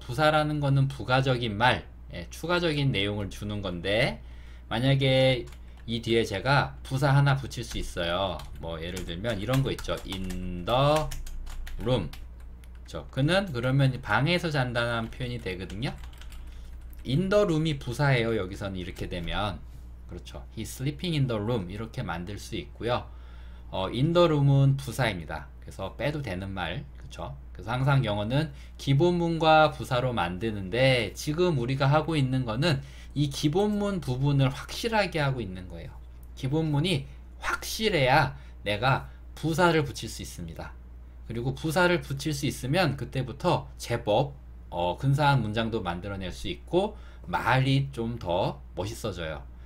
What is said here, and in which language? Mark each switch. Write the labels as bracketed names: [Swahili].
[Korean] 부사라는 것은 부가적인 말, 예, 추가적인 내용을 주는 건데 만약에 이 뒤에 제가 부사 하나 붙일 수 있어요. 뭐 예를 들면 이런 거 있죠. [English] In the room. 그쵸? [Korean] 그는 그러면 방에서 잔다는 표현이 되거든요. In the room 이 부사예요. 여기서는 이렇게 되면. 그렇죠. [English] He's sleeping in the room 이렇게 만들 수 있고요. In the room은 부사입니다. [Korean] 그래서 빼도 되는 말. 그렇죠. 그래서 항상 영어는 기본문과 부사로 만드는데 지금 우리가 하고 있는 거는 이 기본문 부분을 확실하게 하고 있는 거예요. 기본문이 확실해야 내가 부사를 붙일 수 있습니다. 그리고 부사를 붙일 수 있으면 그때부터 제법 근사한 문장도 만들어낼 수 있고 말이 좀더 멋있어져요.